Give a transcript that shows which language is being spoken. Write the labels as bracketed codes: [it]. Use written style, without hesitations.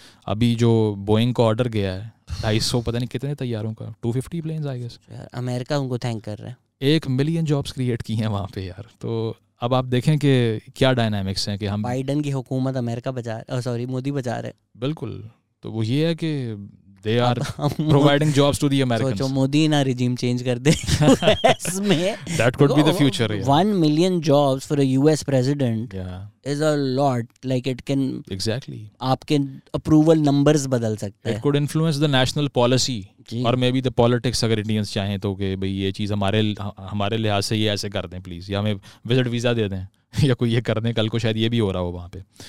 [ur] ابھی جو بوئنگ کا آرڈر گیا ہے 250 پتہ نہیں کتنے طیاروں کا, 250 پلینز آئی گیس, امریکہ ان کو تھینک کر رہا ہے, 1 million جابس کریٹ کی ہیں وہاں پہ یار. تو اب آپ دیکھیں کہ کیا ڈائنامکس ہیں کہ ہم بائیڈن کی حکومت امریکہ بجا رہا ہے, سوری مودی بجا رہا ہے, بالکل. تو وہ یہ ہے کہ they are providing jobs to the Americans, سوچو مودی نا ریجیم چینج کر دے اس میں, [en] That could be the future. 1 million jobs for a U S president is a lot, like it can exactly [ur] آپ کے اپروول نمبرز بدل سکتے ہیں, it could influence the national policy اور مے بی دی پالیٹکس, اگر Indians چاہیں تو کہ بھائی یہ چیز ہمارے لحاظ سے یہ ایسے کر دیں پلیز, یا ہمیں وزٹ ویزا دے دیں یا کوئی یہ کر دیں, کل کو شاید یہ بھی ہو رہا ہو وہاں پہ,